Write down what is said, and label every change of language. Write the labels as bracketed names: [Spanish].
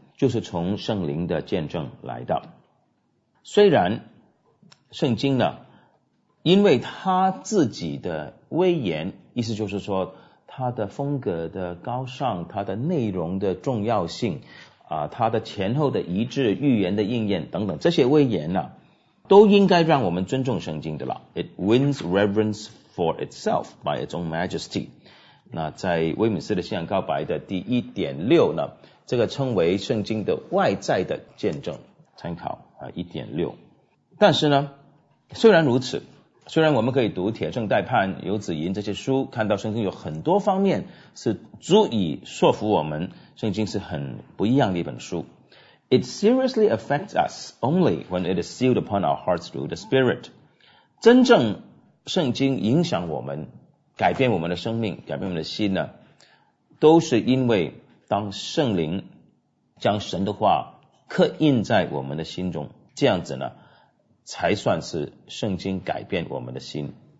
[Chinese] 就是从圣灵的见证来的。虽然圣经呢因为他自己的威严，意思就是说他的风格的高尚，他的内容的重要性他的前后的一致预言的应验等等，这些威严呢都应该让我们尊重圣经的了。 [English] It wins reverence for itself by its own majesty。 [Chinese] 那在威敏斯的信仰告白的第 1.6 呢，这个称为圣经的外在的见证，参考 1.6。但是呢虽然如此，虽然我们可以读铁证代判、游子吟这些书，看到圣经有很多方面是足以说服我们圣经是很不一样的一本书。 [English] It seriously affects us only when it is sealed upon our hearts through the Spirit。 [Chinese] 真正圣经影响我们、改变我们的生命、改变我们的心呢，都是因为当圣灵将神的话刻印在我们的心中，这样子呢才算是圣经改变我们的心。